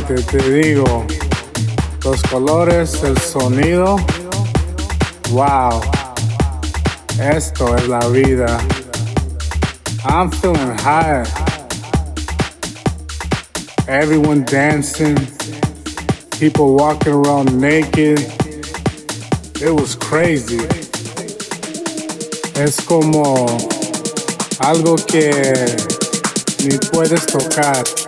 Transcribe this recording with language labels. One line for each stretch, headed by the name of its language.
Spanish: Te digo, los colores, el sonido, wow, esto es la vida.
English: I'm feeling high, everyone dancing, people walking around naked, it was crazy.
Spanish: Es como algo que ni puedes tocar.